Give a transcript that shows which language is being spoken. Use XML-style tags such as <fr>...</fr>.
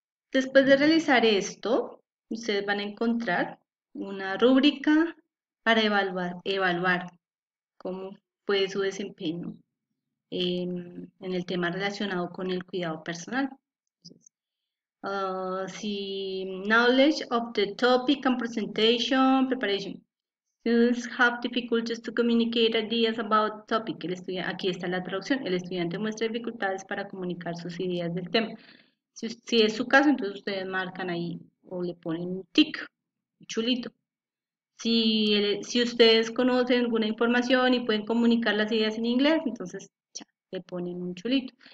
<es>Después de realizar esto, ustedes van a encontrar una rúbrica para evaluar cómo fue su desempeño en el tema relacionado con el cuidado personal.</es> <en>Si knowledge of the topic and presentation preparation. Students have difficulties to communicate ideas about topic.</en> <es>Aquí está la traducción. El estudiante muestra dificultades para comunicar sus ideas del tema. Si es su caso, entonces ustedes marcan ahí o le ponen un tick, un chulito. Si ustedes conocen alguna información y pueden comunicar las ideas en inglés, entonces ya, le ponen un chulito.</es>